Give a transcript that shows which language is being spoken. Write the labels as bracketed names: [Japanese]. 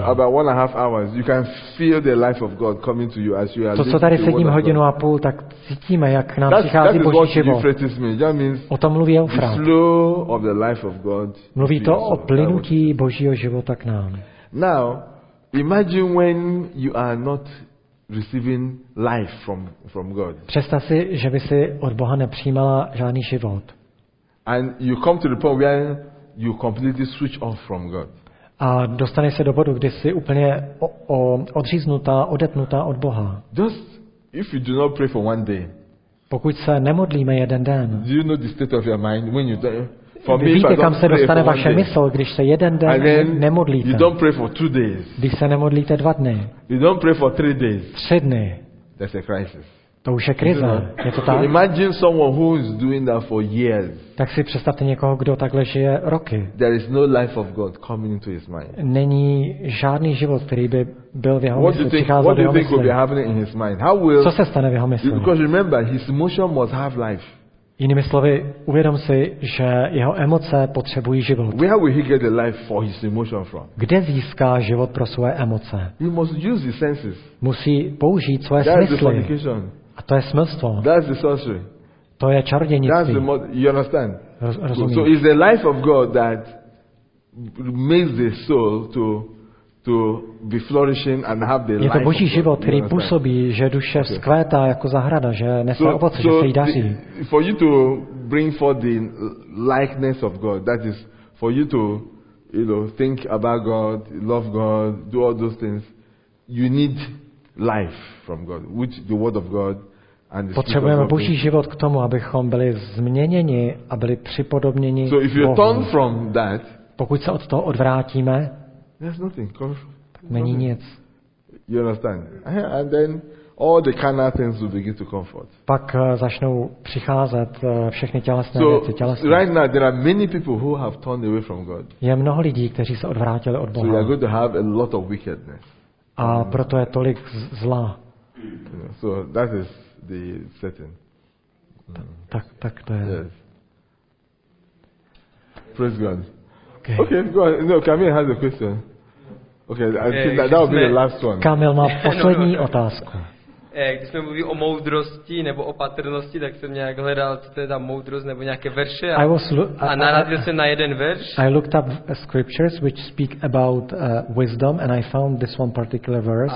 [English] About 1.5 hours, you can feel the life of God coming to you as you are. [Czech] To, co tady sedím hodinu a půl, tak cítíme, jak k nám přichází Boží život. O tom mluví Eufrat. [English] Flow of the life of God. [Czech] Mluví to o plynutí Božího života k nám. [English] Now, imagine when you are not receiving life from God. [Czech] Představ si, že by si od Boha nepřijímala žádný život. [English] And you come to the point where you completely switch off from God. [Czech] A dostaneš se do bodu, kdy jsi úplně odříznutá, odetnutá od Boha. [English] Just if you do not pray for one day. [Czech] Pokud se nemodlíme jeden den. [English] Do you know the state of your mind when you die? For me, [Czech] víte, kam se dostane vaše mysl, když se jeden den nemodlíte. [English] You don't pray for 2 days. [Czech] Když se nemodlíte 2 dny. [English] You don't pray for 3 days. [Czech] 3 dny. [English] That's a crisis. [Czech] To už je krize, je to tak? [English] Imagine someone who is doing that for years. [Czech] Tak si představte někoho, kdo takhle žije roky. [English] There is no life of God coming into his mind. [Czech] Není žádný život, který by byl v jeho mysli, přicházel do jeho mysli. [English] What do you think will be happening in his mind? [Czech] Co se stane v jeho mysli? [English] Because remember, his emotion must have life. [Czech] Jinými slovy, uvědom si, že jeho emoce potřebují život. [English] Where will he get the life for his emotion from? [Czech] Kde získá život pro svoje emoce? [English] He must use his senses. [Czech] Musí použít svoje smysly. A to je smilstvo. [English] That's the sorcery. [Czech] To je čarodějnictví. [English] That's the you understand? [Czech] Rozumíš. [English] So it's the life of God that makes the soul to be flourishing and have the life. [Czech] Je to Boží život, který působí, že duše vzkvétá jako zahrada, že nese ovoce, že se jí daří. [English] For you to bring forth the likeness of God, that is for you to, you know, think about God, love God, do all those things, you need life from God, which the word of God and the [Czech] potřebujeme Boží život k tomu, abychom byli změněni a byli připodobněni Bohu. [English] So if you turn from that, [Czech] pokud se od toho odvrátíme, [English] there's nothing. [Czech] Není nic. [English] You understand? And then all the carnal things will begin to come forth. [Czech] Pak začnou přicházet všechny tělesné věci, tělesné. [English] Right now there are many people who have turned away from God. [Czech] Je mnoho lidí, kteří se odvrátili od Boha. [English] So you're going to have a lot of wickedness. [Czech] A proto je tolik zla. [English] So that is the setting. [Czech] Tak to je. [English] Yes. Praise God. Okay. Okay, go on. No, Camille has a question. Okay, I think that would be the last one. [Czech] Kamil má poslední otázku. Když jsme mluví o moudrosti nebo opatrnosti, tak jsem nějak hledal, co to je ta moudrost nebo nějaké verše. A narazil jsem na jeden verš. [English] I looked up scriptures which speak about wisdom and I found this one particular verse.